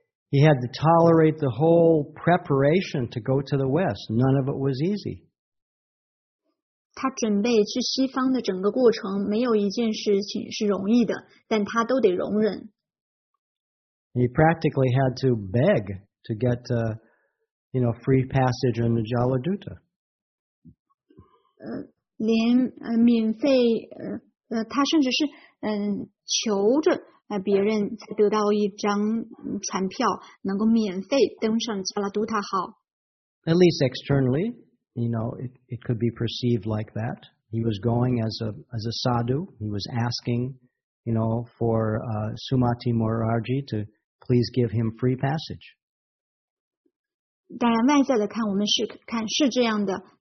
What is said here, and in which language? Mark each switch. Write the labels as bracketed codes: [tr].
[en] He had to tolerate the whole preparation to go to the West. None of it was easy. [zh] 他准备去西方的整个过程，没有一件事情是容易的，但他都得容忍。 [en] He practically had to beg to get, you know, free passage on the Jaladuta. [zh] 连免费他甚至是求着。别人才得到一张船票，能够免费登上加拉都塔号。 [en] At least externally, you know, it could be perceived like that. He was going as a sadhu. He was asking, you know, for Sumati Maharaji to please give him free passage. [zh] 当然，外在的看，我们是看是这样的。